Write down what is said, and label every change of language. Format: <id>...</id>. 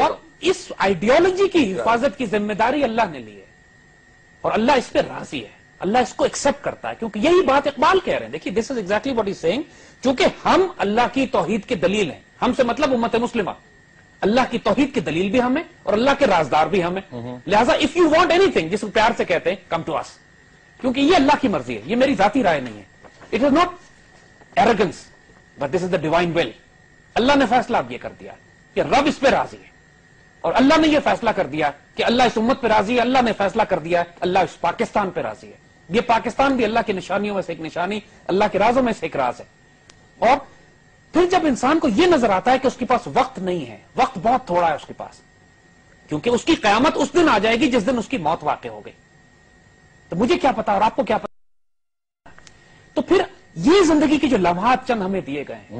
<ur>اور اس آئیڈیالوجی کی حفاظت کی ذمہ داری اللہ نے لی ہے, اور اللہ اس پہ راضی ہے, اللہ اس کو ایکسپٹ کرتا ہے, کیونکہ یہی بات اقبال کہہ رہے ہیں. دیکھیے</ur> <en>this is exactly what he saying,</en> <ur>چونکہ ہم اللہ کی توحید کے دلیل ہیں, ہم سے مطلب امت مسلمہ, اللہ کی توحید کی دلیل بھی ہمیں اور اللہ کے رازدار بھی ہمیں. لہذا</ur> <en>if you want anything,</en> <ur>جس کو پیار سے کہتے ہیں</ur> <en>come to us,</en> <ur>کیونکہ یہ اللہ کی مرضی ہے, یہ میری ذاتی رائے نہیں ہے.</ur> <en>It is not arrogance but this is the divine will.</en> <ur>اللہ نے فیصلہ اب یہ کر دیا کہ رب اس پہ راضی ہے, اور اللہ نے یہ فیصلہ کر دیا کہ اللہ اس امت پہ راضی ہے, اللہ نے فیصلہ کر دیا اللہ اس پاکستان پہ راضی ہے. یہ پاکستان بھی اللہ کی نشانیوں میں سے ایک نشانی, اللہ کے رازوں میں سے ایک راز ہے. اور پھر جب انسان کو یہ نظر آتا ہے کہ اس کے پاس وقت نہیں ہے, وقت بہت تھوڑا ہے اس کے پاس, کیونکہ اس کی قیامت اس دن آ جائے گی جس دن اس کی موت واقع ہو گئی, تو مجھے کیا پتا اور آپ کو کیا پتا, تو پھر یہ زندگی کے جو لمحات چند ہمیں دیے گئے ہیں,</ur>